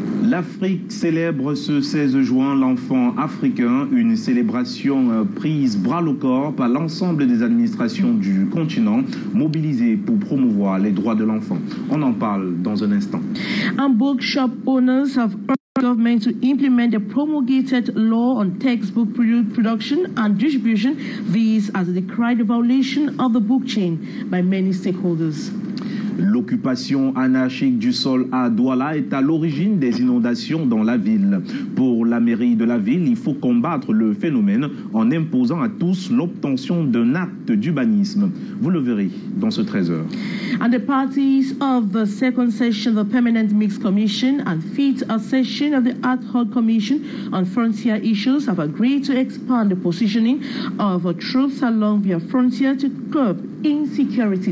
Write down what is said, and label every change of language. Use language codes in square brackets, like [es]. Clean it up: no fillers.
[fr] L'Afrique célèbre ce 16 juin l'enfant africain, une célébration prise bras le corps par l'ensemble des administrations du continent mobilisées pour promouvoir les droits de l'enfant. On en parle dans un instant. [en] Un bookshop owners have urged the government to implement the promulgated law on textbook production and distribution. This as a decried violation of the book chain by many stakeholders. [fr] L'occupation anarchique du sol à Douala est à l'origine des inondations dans la ville. Pour la mairie de la ville, il faut combattre le phénomène en imposant à tous l'obtention d'un acte d'urbanisme. Vous le verrez dans ce 13h. [en] And the parties of the second session of the Permanent Mixed Commission and fifth session of the Ad Hoc Commission on Frontier Issues have agreed to expand the positioning of troops along their frontier to curb insecurity.